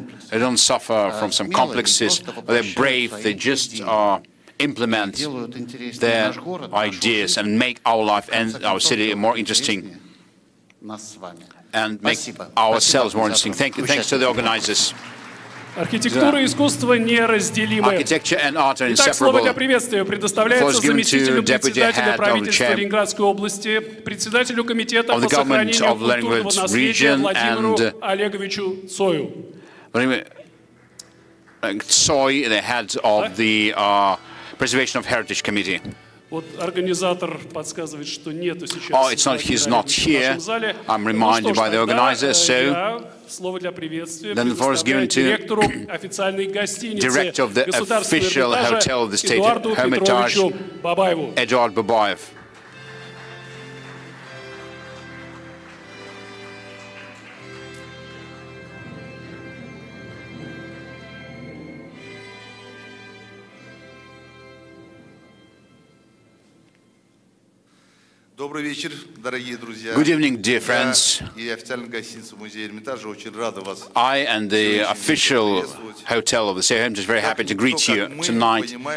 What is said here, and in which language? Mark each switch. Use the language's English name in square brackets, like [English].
[English] They don't suffer from some complexes, but they're brave, they just implement their ideas and make our life and our city more interesting, and make ourselves more interesting. Thank you. Thanks to the organizers. [Russian] Архитектура и искусство неразделимы. [English] Architecture and art are inseparable. [Russian] Итак, слово для приветствия предоставляется заместителю председателя правительства Ленинградской области, председателю комитета по сохранению культурного наследия Владимиру Олеговичу Цою. [English] Цой, the head of the Preservation of Heritage Committee. [Russian] Вот организатор подсказывает, что нету сейчас. [English] Oh, it's not, he's not here. I'm reminded by the organizer, so. [Russian] Слово для приветствия предоставляется директору официальной гостиницы, [English] director of the official hotel of the State Hermitage, Эдуард Бабаев. [Russian] Добрый вечер, дорогие друзья. [English] Good evening, dear friends. [Russian] Я и официальная гостиница музея Эрмитажа очень рада вас. [English] I and the official hotel of the State Hermitage is very happy to greet you tonight.